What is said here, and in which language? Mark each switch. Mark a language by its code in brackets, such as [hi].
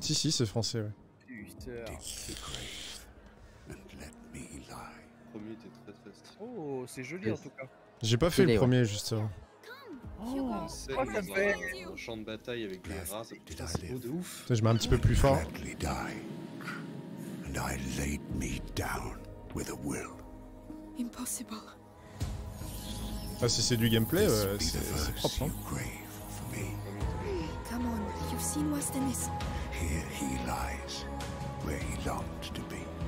[fr] Si, si, c'est français, ouais. Suceur. Le premier était très très stylé. Oh, c'est joli en tout cas. J'ai pas fait le premier justement. Oh, c'est un champ de bataille avec des rats, ça c'est beau de ouf. Putain, je mets un petit peu plus fort. [en] And I laid me down with a will. [fr] Impossible. Ah, si c'est du gameplay, c'est propre, hein. [en] Come on, you've seen worse than this. Here he lies, where he longed to be.